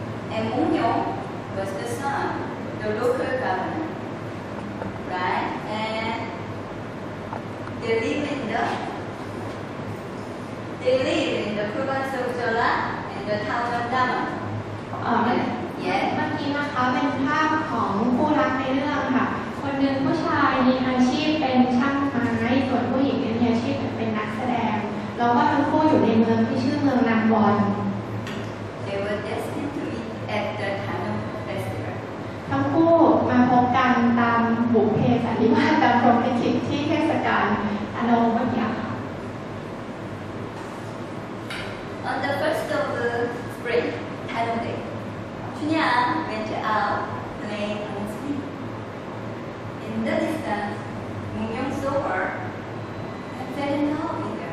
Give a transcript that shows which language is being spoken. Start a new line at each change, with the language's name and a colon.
English: And Mongyong was the son, the local governor. Right? And they live in the province of Jeolla in the town of Daman.
Thai: เมื่อกี้นะคะเป็นภาพของคู่รักในเรื่องค่ะคนหนึ่งผู้ชายมีอาชีพเป็นช่างไม้ส่วนผู้หญิงมีอาชีพเป็นนักแสดงแล้วก็ทั้งคู่อยู่ในเมืองที่ชื่อเมืองนางบอน
English: They were destined to meet at the town of festival
Thai: ทั้งคู่มาพบกันตามบุพเพสันนิวาสตามพรหมลิขิตที่เทศกาลอโนมยะ
English: On the first of the spring time of day Chunhyang went out playing on the street In the distance Mongyong saw her and fell in love with